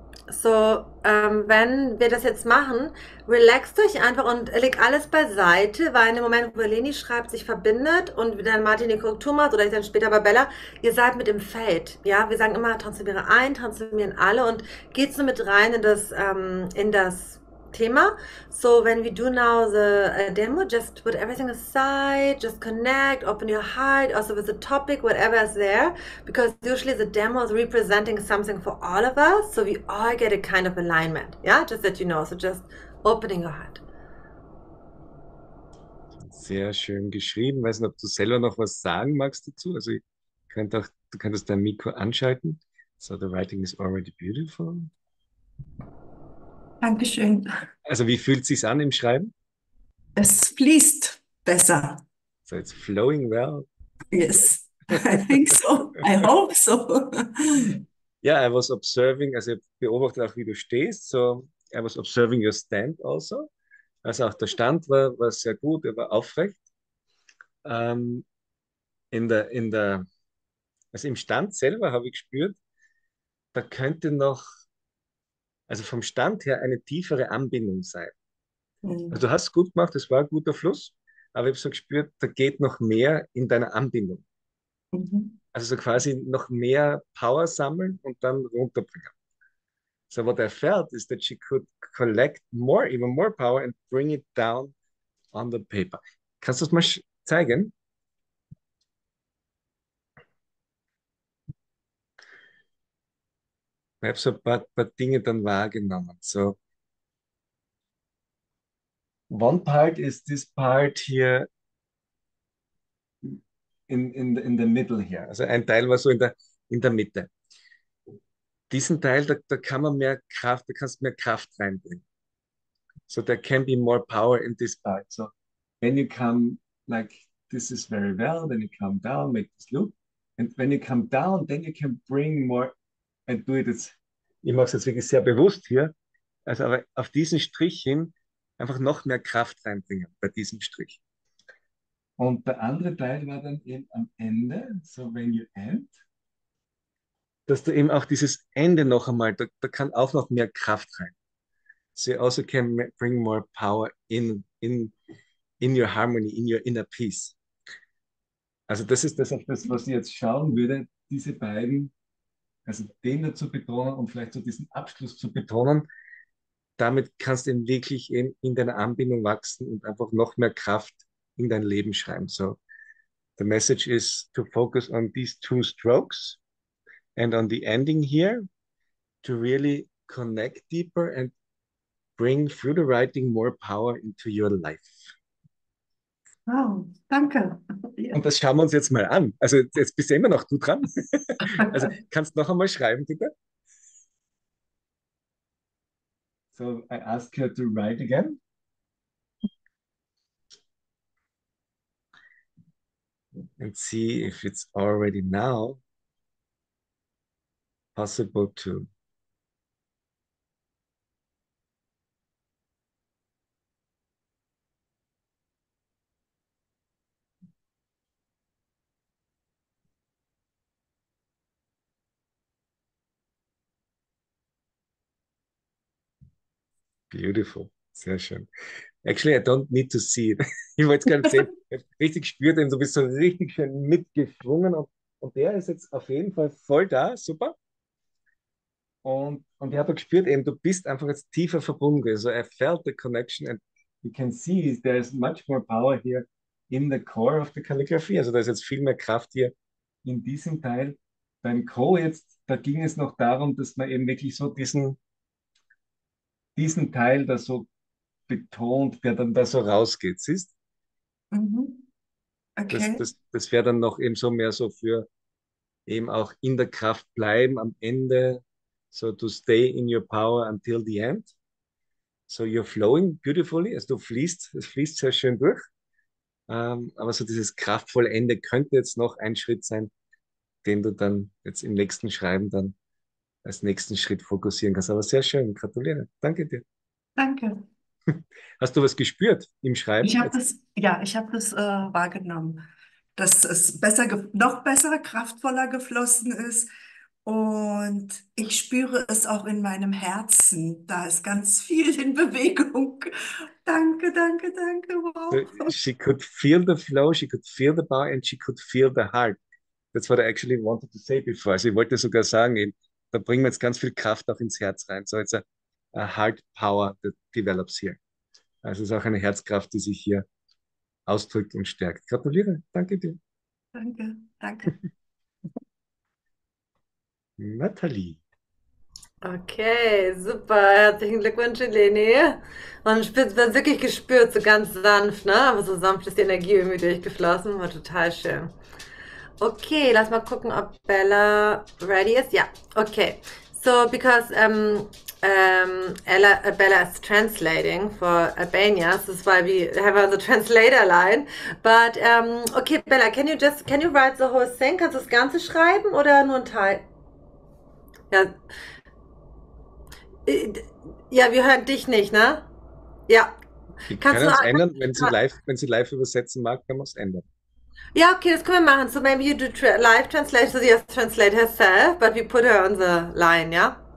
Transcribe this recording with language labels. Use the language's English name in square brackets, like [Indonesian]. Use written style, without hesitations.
[German] So, wenn wir das jetzt machen, relaxt euch einfach und legt alles beiseite, weil in dem Moment, wo Eleni schreibt, sich verbindet und dann Martin die Korrektur macht oder ich dann später bei Bella, ihr seid mit im Feld. Ja, wir sagen immer, transformiere ein, transformieren alle und geht so mit rein in das Thema. [English] So, when we do now the demo, just put everything aside, just connect, open your heart, also with the topic, whatever is there, because usually the demo is representing something for all of us, so we all get a kind of alignment, yeah, just that you know, so just opening your heart. [German] Sehr schön geschrieben. Weiß nicht, ob du selber noch was sagen magst dazu. Also, du könntest dein Mikro anschalten. [English] So, the writing is already beautiful. [German] Dankeschön. Also, wie fühlt es sich an im Schreiben? Es fließt besser. [English] So, it's flowing well. Yes, I think Great. so. I hope so. Yeah, I was observing, [German] also, ich beobachte auch, wie du stehst. [English] So, I was observing your stand also. [German] Also auch der Stand war sehr gut, er war aufrecht. Also im Stand selber habe ich gespürt, da könnte noch, also vom Stand her, eine tiefere Anbindung sein. Also du hast es gut gemacht, es war ein guter Fluss, aber ich habe so gespürt, da geht noch mehr in deiner Anbindung. Also so quasi noch mehr Power sammeln und dann runterbringen. [English] So what I felt is that she could collect more, even more power and bring it down on the paper. [German] Kannst du das mal zeigen? Ich habe so ein paar Dinge dann wahrgenommen. [English] So, one part is this part here in the middle here. [German] Also ein Teil war so in der Mitte. Diesen Teil, da kann man mehr Kraft, da kannst du mehr Kraft reinbringen. [English] So there can be more power in this part. So when you come like this is very well, then you come down, make this loop. And when you come down, then you can bring more and do it. [German] Ich mache es jetzt wirklich sehr bewusst hier. Also aber auf diesen Strich hin einfach noch mehr Kraft reinbringen bei diesem Strich. Und der andere Teil war dann eben am Ende, [English] so when you end. [German] Dass du eben auch dieses Ende noch einmal, da kann auch noch mehr Kraft rein. [English] So you also can bring more power in your harmony, in your inner peace. [German] Also das ist das, auf das, was ich jetzt schauen würde, diese beiden, also den dazu betonen und vielleicht so diesen Abschluss zu betonen. Damit kannst du eben wirklich in deiner Anbindung wachsen und einfach noch mehr Kraft in dein Leben schreiben. [English] So the message is to focus on these two strokes. And on the ending here, to really connect deeper and bring through the writing more power into your life. [German] Wow, danke. Und das schauen wir uns jetzt mal an. Also jetzt bist du immer noch du dran. Also kannst du noch einmal schreiben, bitte? [English] So I ask her to write again. And see if it's already now. Possible to. Beautiful, [German] sehr schön. [English] Actually, I don't need to see it. [German] Ich wollte es gerade sehen. Ich habe richtig gespürt, denn du bist so richtig schön mitgeschwungen und der ist jetzt auf jeden Fall voll da. Super. Und ich habe gespürt, eben, du bist einfach jetzt tiefer verbunden. [English] So, I felt the connection and you can see there is much more power here in the core of the calligraphy. [German] Also, da ist jetzt viel mehr Kraft hier in diesem Teil. Beim Co jetzt, da ging es noch darum, dass man eben wirklich so diesen Teil da so betont, der dann da so rausgeht. Siehst du? Das Okay. wäre dann noch eben so mehr so für eben auch in der Kraft bleiben am Ende. [English] So to stay in your power until the end. So you're flowing beautifully. [German] Also du fließt, es fließt sehr schön durch. Aber so dieses kraftvolle Ende könnte jetzt noch ein Schritt sein, den du dann jetzt im nächsten Schreiben dann als nächsten Schritt fokussieren kannst. Aber sehr schön, gratuliere. Danke dir. Danke. Hast du was gespürt im Ich Schreiben habe jetzt? das, ja, ich habe das wahrgenommen, dass es besser, noch besser, kraftvoller geflossen ist. Und ich spüre es auch in meinem Herzen. Da ist ganz viel in Bewegung. Danke, danke, danke. Wow. [English] She could feel the flow, she could feel the power and she could feel the heart. That's what I actually wanted to say before. [German] Also ich wollte sogar sagen, eben, da bringen wir jetzt ganz viel Kraft auch ins Herz rein. [English] So it's a heart power that develops here. [German] Also es ist auch eine Herzkraft, die sich hier ausdrückt und stärkt. Gratuliere, danke dir. Danke, danke. Nathalie. Okay, super. Herzlichen Glückwunsch, Eleni. Man spürt, man wirklich gespürt, so ganz sanft, ne? Aber so sanft ist die Energie irgendwie durchgeflossen. War total schön. Okay, lass mal gucken, ob Bella ready ist. Ja, okay. [English] So, Bella is translating for Albania. This is why we have the translator line. But okay, Bella, can you write the whole thing? [German] Kannst du das Ganze schreiben oder nur ein Teil? Ja. Ja, wir hören dich nicht, ne? Ja. Wir Kannst können du es auch ändern, wenn sie live übersetzen mag, können wir es ändern. Ja, okay, das können wir machen. [English] So maybe you do live translate, so you translate herself, but we put her on the line, ja?